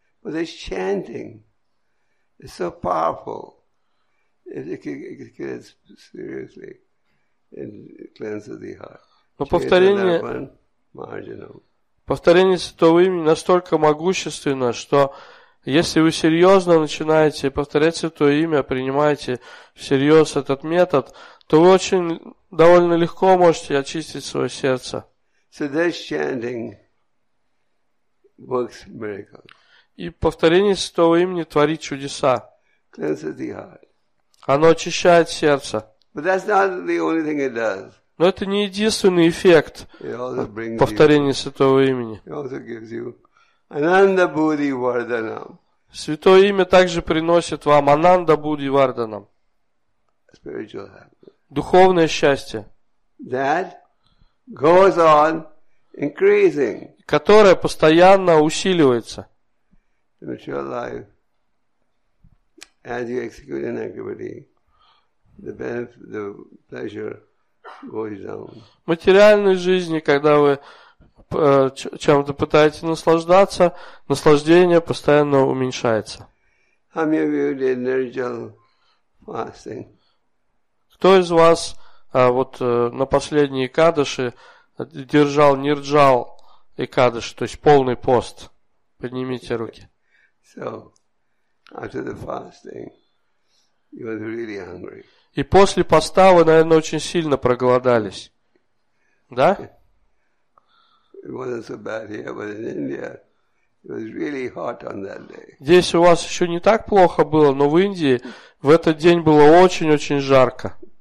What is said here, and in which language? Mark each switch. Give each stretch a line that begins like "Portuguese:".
Russian: Но повторение святого имени настолько могущественно, что если вы серьезно начинаете повторять святое имя, принимаете всерьез этот метод, то вы очень довольно легко можете очистить свое сердце.
English: So this chanting works miracles.
Russian: И повторение святого имени творит чудеса.
English: Cleanses the heart.
Russian: Оно очищает сердце.
English: But that's not the only thing it does.
Russian: Но это не единственный эффект повторения святого имени.
English: It also gives you Ananda Buddhi Vardhanam.
Russian: Святое имя также приносит вам Ананда Буддхи Варданам.
English: Spiritual happiness.
Russian: Духовное счастье.
English: That goes on increasing.
Russian: Которое постоянно усиливается.
English: The material life, as you execute an activity, the benefit, the pleasure goes down.
Russian: В материальной жизни, когда вы чем-то пытаетесь наслаждаться, наслаждение постоянно уменьшается.
English: How many of you did Nirjal fasting?
Russian: Кто из вас на последние кадыши держал нирджал и кадыш, то есть полный пост? Поднимите руки.
English: So, after the fasting, you were really hungry.
Russian: И после поста вы, наверное, очень сильно проголодались. Да?
English: It wasn't so bad here, but in India, it was really hot on that day.
Russian: Здесь у вас еще не так плохо было, но в Индии в этот день было очень-очень жарко.